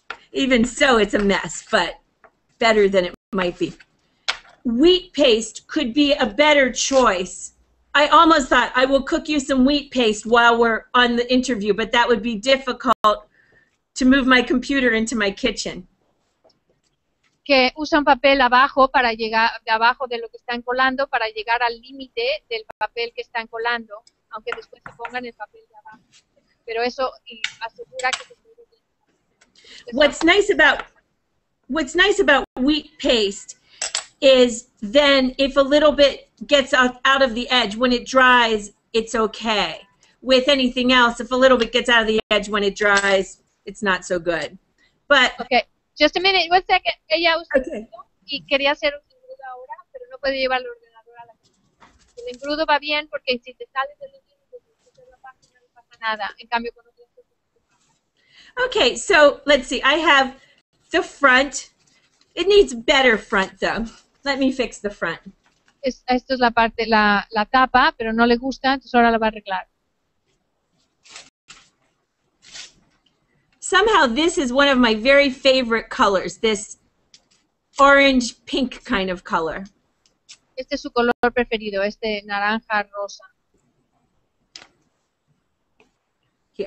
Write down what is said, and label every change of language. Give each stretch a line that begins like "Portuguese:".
English: Even so, it's a mess, but better than it might be. Wheat paste could be a better choice. I almost thought I will cook you some wheat paste while we're on the interview, but that would be difficult to move my computer into my kitchen.
Spanish: Que usa un papel abajo para llegar de abajo de lo que están colando para llegar al límite del papel que están colando, aunque después se pongan el papel de abajo. Pero eso asegura que se puede.
English: What's nice about wheat paste is then if a little bit gets out of the edge when it dries, it's okay. with anything else, if a little bit gets out of the edge when it dries, it's not so good. But okay, just a minute, 1 second.
Spanish: Ella usa
English: okay.
Spanish: Y quería hacer un engrudo ahora, pero no puede llevar el ordenador a la casa. El engrudo va bien porque si te sale del engrudo, no pasa nada. En cambio, cuando
English: okay, so let's see. I have the front. It needs better front, though. Let me fix the front.
Spanish: Esto es la parte, la tapa, pero no le gusta, entonces ahora la va a arreglar.
English: Somehow this is one of my very favorite colors, this orange-pink kind of color.
Spanish: Este es su color preferido, este naranja-rosa.
English: Here.